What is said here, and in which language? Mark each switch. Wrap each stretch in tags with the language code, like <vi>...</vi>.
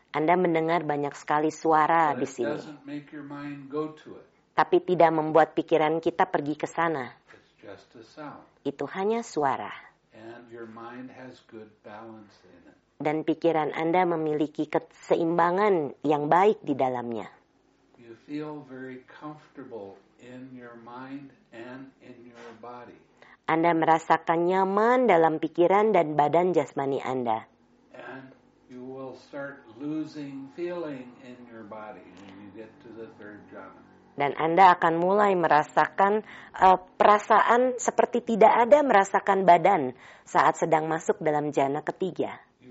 <id>Anda mendengar banyak sekali suara</id> <en>but</en> <id>di sini.</id> <en>It doesn't make your mind go to it.</en> <id>Tapi tidak membuat pikiran kita pergi ke sana.</id> <en>It's just a sound.</en> <id>Itu hanya suara.</id> <en>And your mind has good balance in it.</en> <id>Dan pikiran Anda memiliki keseimbangan yang baik di dalamnya.</id> <en>You feel very comfortable in your mind and in your body.</en> <id>Anda merasakan nyaman dalam pikiran dan badan jasmani Anda.</id> <en>And you will start losing feeling in your body when you get to the third jhana.</en> <id>Dan Anda akan mulai merasakan perasaan seperti tidak ada merasakan badan saat sedang masuk dalam jhana ketiga.</id>